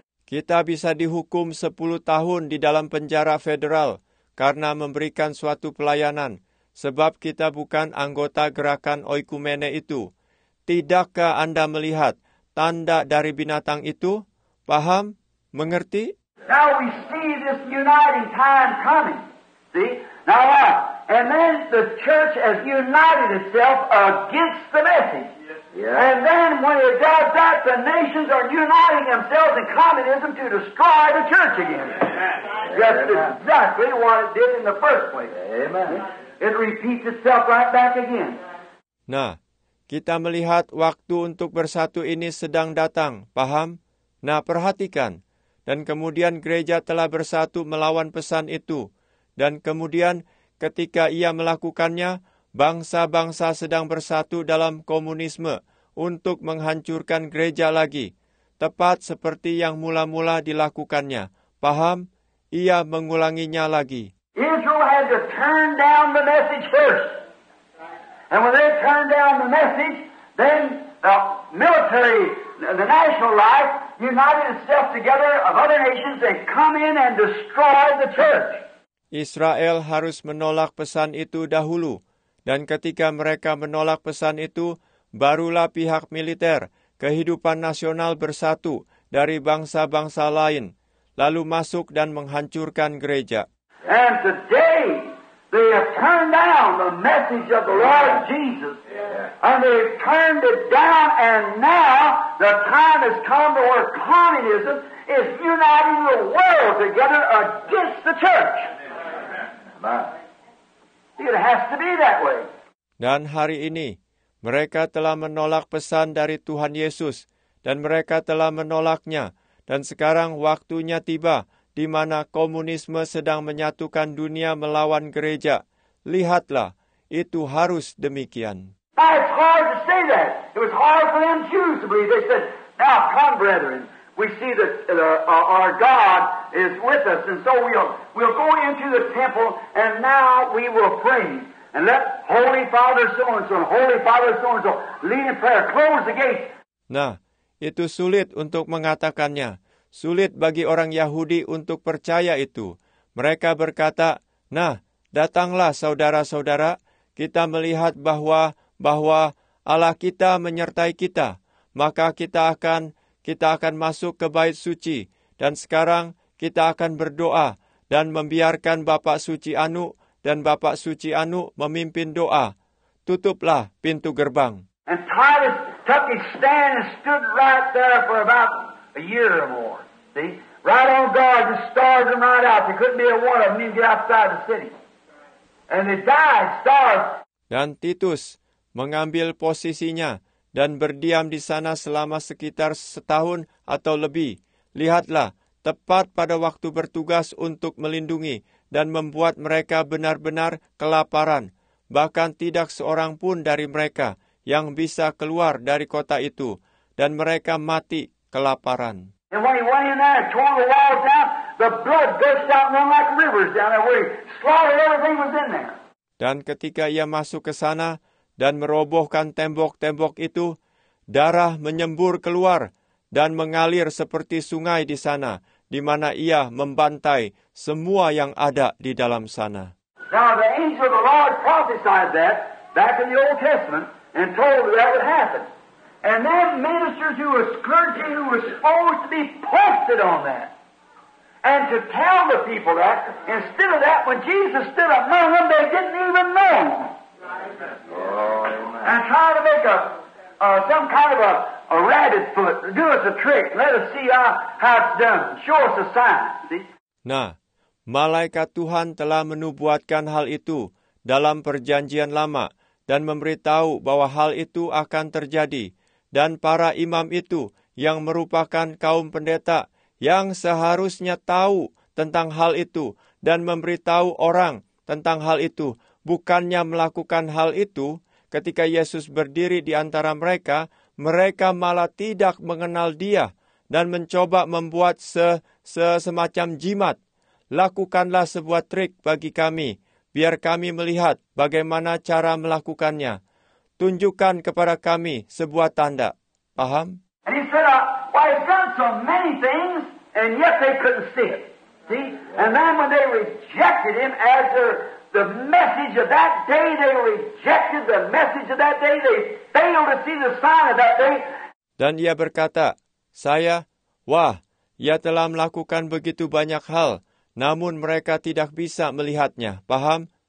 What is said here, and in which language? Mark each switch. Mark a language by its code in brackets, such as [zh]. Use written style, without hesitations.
[id] Kita bisa dihukum 10 tahun di dalam penjara federal karena memberikan suatu pelayanan, sebab kita bukan anggota gerakan oikumene itu. Tidakkah Anda melihat tanda dari binatang itu? Paham? Mengerti? [en] Now we see this uniting time coming. See? Now what? And then the church has united itself against the message. Yeah. And then when it does that, the nations are uniting themselves in communism to destroy the church again. Yeah. That's exactly what it did in the first place. Amen. It repeats itself right back again. [id] Nah, kita melihat waktu untuk bersatu ini sedang datang, paham? Nah, perhatikan. Dan kemudian gereja telah bersatu melawan pesan itu. Dan kemudian ketika ia melakukannya, bangsa-bangsa sedang bersatu dalam komunisme untuk menghancurkan gereja lagi, tepat seperti yang mula-mula dilakukannya. Paham? Ia mengulanginya lagi. [en] Israel had to turn down the message first. And when they turned down the message, then the military, the national life, united itself together of other nations and come in and destroyed the church. [id] Israel harus menolak pesan itu dahulu. Dan ketika mereka menolak pesan itu, barulah pihak militer, kehidupan nasional bersatu dari bangsa-bangsa lain, lalu masuk dan menghancurkan gereja. [en] And today, they have turned down the message of the Lord Jesus. Yeah. And they have turned it down, and now the time has come to where communism is uniting the world together against the church. It has to be that way. [id] Dan hari ini, mereka telah menolak pesan dari Tuhan Yesus, dan mereka telah menolaknya, dan sekarang waktunya tiba di mana komunisme sedang menyatukan dunia melawan gereja. Lihatlah, itu harus demikian. [en] It's hard to say that. It was hard for them Jews to believe. They said, now come, brethren, we see that our God is with us, and so we'll go into the temple, and now we will pray. And let Holy Father so-and-so, Holy Father so-and-so, lead in prayer, close the gate. [id] Nah, itu sulit untuk mengatakannya. Sulit bagi orang Yahudi untuk percaya itu. Mereka berkata, nah, datanglah saudara-saudara, kita melihat bahwa Allah kita menyertai kita, maka kita akan masuk ke bait suci, dan sekarang kita akan berdoa, dan membiarkan Bapak Suci Anu, dan Bapak Suci Anu memimpin doa. Tutuplah pintu gerbang. [en] And Titus took his stand and stood right there for about a year or more. See? Right on guard, just starved them right out. There couldn't be a one of them even get outside the city. And they died, starved. [id] Dan Titus mengambil posisinya dan berdiam di sana selama sekitar setahun atau lebih. Lihatlah, tepat pada waktu bertugas untuk melindungi dan membuat mereka benar-benar kelaparan. Bahkan tidak seorang pun dari mereka yang bisa keluar dari kota itu. Dan mereka mati kelaparan. [en] And when he went in there and tore the walls down, the blood burst out and went like rivers down there where he slaughtered everything was in there. [id] Dan ketika ia masuk ke sana dan merobohkan tembok-tembok itu, darah menyembur keluar dan mengalir seperti sungai di sana, di mana ia membantai semua yang ada di dalam sana. [en] Now the angel of the Lord prophesied that back in the Old Testament and told that would happen. And then ministers who were clergy who were supposed to be posted on that and to tell the people that, instead of that, when Jesus stood up among them, they didn't even know. Amen. And try to make some kind of a rabbit foot, do us a trick, let us see how it's done, show us a sign, see? [id] Nah, malaikat Tuhan telah menubuatkan hal itu dalam perjanjian lama dan memberitahu bahwa hal itu akan terjadi. Dan para imam itu yang merupakan kaum pendeta yang seharusnya tahu tentang hal itu dan memberitahu orang tentang hal itu, bukannya melakukan hal itu, ketika Yesus berdiri di antara mereka, mereka malah tidak mengenal dia dan mencoba membuat semacam jimat. Lakukanlah sebuah trik bagi kami, biar kami melihat bagaimana cara melakukannya. Tunjukkan kepada kami sebuah tanda. Paham? [en] And he said, well, I've done so many things, and yet they couldn't see it. See? And then when they rejected him as the message of that day, they rejected the message of that day, they failed to see the sign of that day. [id] Dan ia berkata, saya, wah, ia telah melakukan begitu banyak hal, namun mereka tidak bisa melihatnya. Paham?